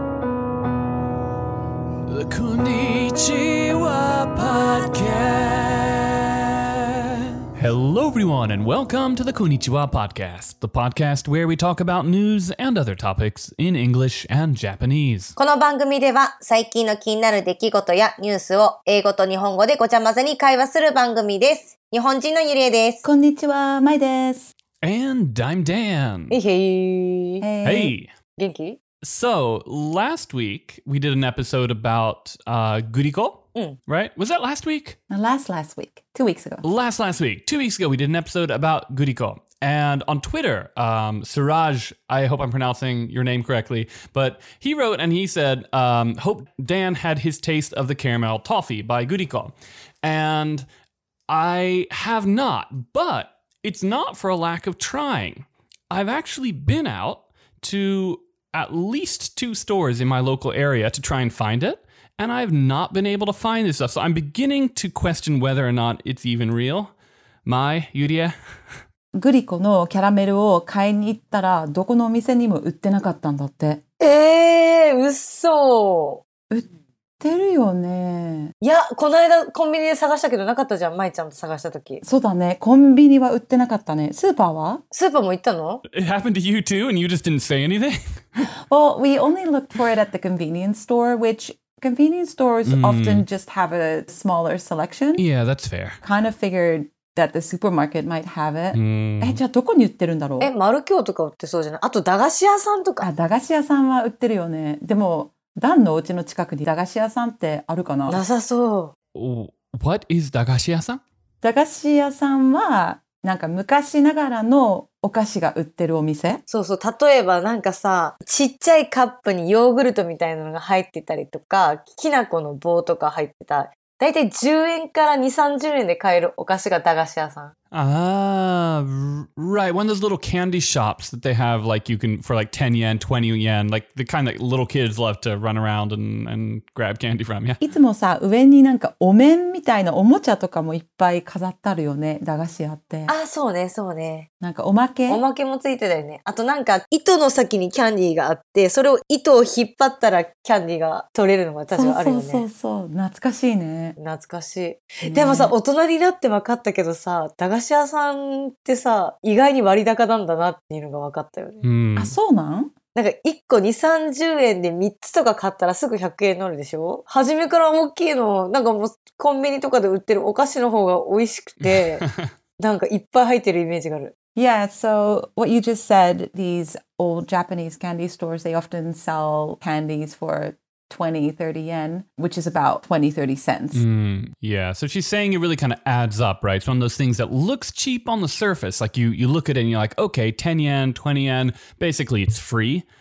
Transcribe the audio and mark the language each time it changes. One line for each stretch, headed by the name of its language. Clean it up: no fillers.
Japanese: こんにちは、パッケース。
English: Hello everyone and welcome to the こんにちは podcast, the podcast where we talk about news and other topics in English and Japanese.
Japanese: この番組では最近の気になる出来事やニュースを英語と日本語でごちゃ混ぜに会話する番組です。日本人のゆりえです。こんにちは、まいです。
English: And I'm Dan. Hey. Hey.
Japanese: 元気?
English: So, last week, we did an episode about Guriko, right? Was that last week? Last week, two weeks ago, we did an episode about Guriko. And on Twitter, Siraj, I hope I'm pronouncing your name correctly, but he wrote and he said, hope Dan had his taste of the caramel toffee by Guriko. And I have not, but it's not for a lack of trying. I've actually been out to at least two stores in my local area to try and find it, and I've not been able to find this stuff. So I'm beginning to question whether or not it's even real. Mai, Yurie?
Japanese: Guriko のキャラメルを買いに行ったらどこのお店にも売ってなかったんだって。嘘。売ってるよね。いや、この間コンビニで探したけどなかったじゃん、マイちゃんと探した時。そうだね、コンビニは売ってなかったね。スーパーは? スーパーも行ったの?
English: It happened to you too and you just didn't say anything? Well, we only looked for it at the convenience store, which convenience stores often just have a smaller selection. Yeah, that's fair. Kind of figured that the supermarket might have it.
Japanese: じゃあどこに売ってるんだろう? マルキョウとか売ってそうじゃない?あと駄菓子屋さんとか。あ、駄菓子屋さんは売ってるよね。でも、ダンのお家の近くに駄菓子屋さんってあるかな? なさそう。
English: What is 駄菓子屋さん?
Japanese: 駄菓子屋さんはなんか昔ながらのお菓子が売ってるお店。そうそう、例えばなんかさ、ちっちゃいカップにヨーグルトみたいなのが入ってたりとか、きな粉の棒とか入ってた。だいたい10円から2、30円で買えるお菓子が駄菓子屋さん。
English: Right. One of those little candy shops that they have, like, you can, for like 10 yen, 20 yen, like the kind that little kids love to run around and grab candy from, yeah.
Japanese: いつもさ、上になんかお面みたいなおもちゃとかもいっぱい飾ってあるよね、駄菓子屋って。あ、そうね、そうね。なんかおまけ? おまけもついてたよね。あとなんか糸の先にキャンディーがあって、それを糸を引っ張ったらキャンディーが取れるのが確かあるよね。そうそうそう、懐かしいね。懐かしい。でもさ、大人になって分かったけどさ、駄菓子屋さんってさ、意外に割高なんだなっていうのが分かったよね。あ、そうなん? なんか1個2、30円で3つとか買ったらすぐ100円になるでしょ? 初めから大きいの、なんかもうコンビニとかで売ってるお菓子の方が美味しくて、なんかいっぱい入ってるイメージがある。
English: Yeah, so what you just said, these old Japanese candy stores, they often sell candies for 20, 30 yen, which is about 20, 30 cents. Yeah, so she's saying it really kind of adds up, right? It's one of those things that looks cheap on the surface. Like you look at it and you're like, okay, 10 yen, 20 yen, basically it's free.